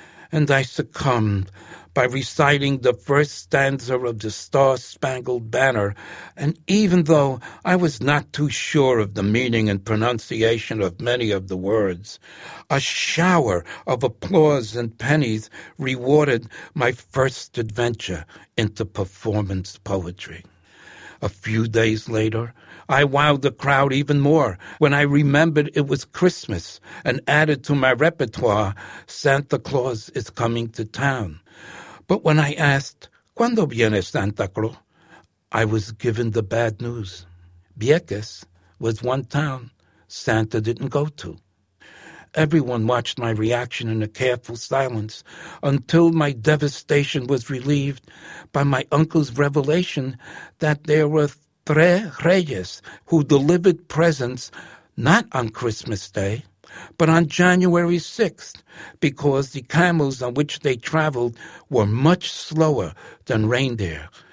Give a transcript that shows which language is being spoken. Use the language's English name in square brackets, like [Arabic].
[English] And I succumbed by reciting the first stanza of the Star-Spangled Banner, and even though I was not too sure of the meaning and pronunciation of many of the words, a shower of applause and pennies rewarded my first adventure into performance poetry. A few days later, I wowed the crowd even more when I remembered it was Christmas and added to my repertoire, Santa Claus is Coming to Town. But when I asked, [Spanish] ¿Cuándo viene Santa Claus? [English] I was given the bad news. Vieques was one town Santa didn't go to. Everyone watched my reaction in a careful silence until my devastation was relieved by my uncle's revelation that there were tres reyes who delivered presents not on Christmas Day, but on January 6th, because the camels on which they traveled were much slower than reindeer.